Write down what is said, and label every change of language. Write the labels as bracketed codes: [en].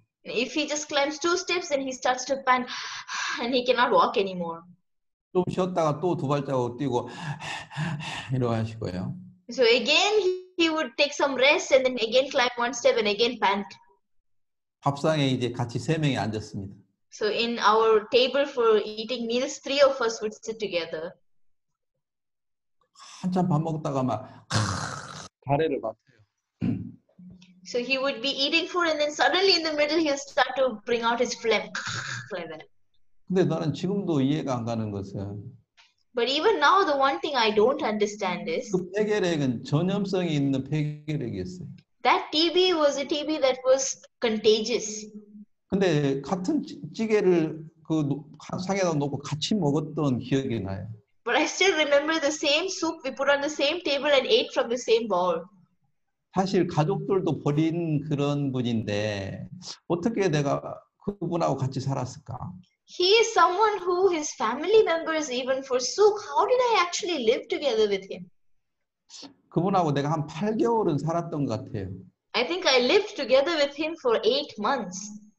[en] If he just climbs 2 steps, then he starts to pant and he cannot walk anymore. [ko] 좀 쉬었다가 또 두 발자국 뛰고 이러 하시고요. [en] So again he would take some rest and then again climb 1 step and again pant. [ko] 밥상에 이제 같이 세 명이 앉았습니다. [en] So in our table for eating meals, 3 of us would sit together. [ko] 한참 밥 먹다가 막 가래를 맡아요. [en] So he would be eating food and then suddenly in the middle he'll start to bring out his phlegm. [ko] 근데 나는 지금도 이해가 안 가는 것은. [en] But even now the one thing I don't understand is. [ko] 그 폐결핵은 전염성이 있는 폐결핵이었어요. [en] That TB was a TB that was contagious. [ko] 근데 같은 찌개를 그 상에다 놓고 같이 먹었던 기억이 나요. [en] But I still remember the same soup we put on the same table and ate from the same bowl. [ko] 사실 가족들도 버린 그런 분인데 어떻게 내가 그분하고 같이 살았을까? [en] He is someone who his family members even forsook. How did I actually live together with him? [ko] 그분하고 내가 한 8개월은 살았던 것 같아요. [en] I think I lived together with him for 8 months.